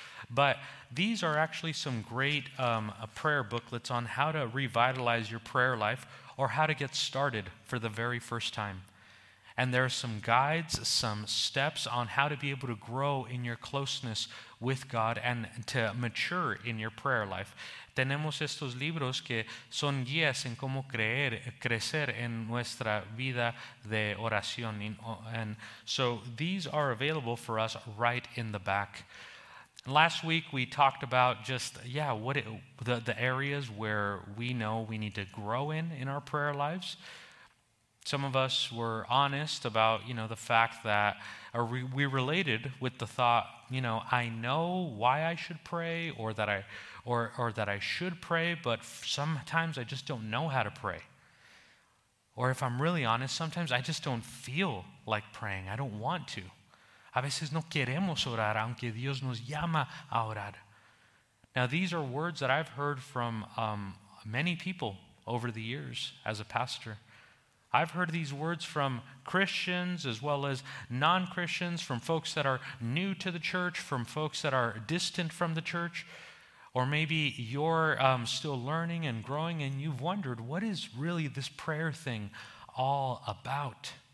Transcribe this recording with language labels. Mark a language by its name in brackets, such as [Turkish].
[English] But these are actually some great prayer booklets on how to revitalize your prayer life or how to get started for the very first time. And there are some guides, some steps on how to be able to grow in your closeness with God and to mature in your prayer life. [Spanish] Tenemos estos libros que son guías en cómo crecer en nuestra vida de oración. [English] And so these are available for us right in the back. Last week we talked about just, the areas where we know we need to grow in our prayer lives. Some of us were honest about, you know, the fact that we related with the thought, you know, I know why I should pray or that I should pray, but sometimes I just don't know how to pray. Or if I'm really honest, sometimes I just don't feel like praying. I don't want to. [Spanish] A veces no queremos orar, aunque Dios nos llama a orar. [English] Now, these are words that I've heard from many people over the years as a pastor. I've heard these words from Christians as well as non-Christians, from folks that are new to the church, from folks that are distant from the church, or maybe you're still learning and growing and you've wondered, what is really this prayer thing all about?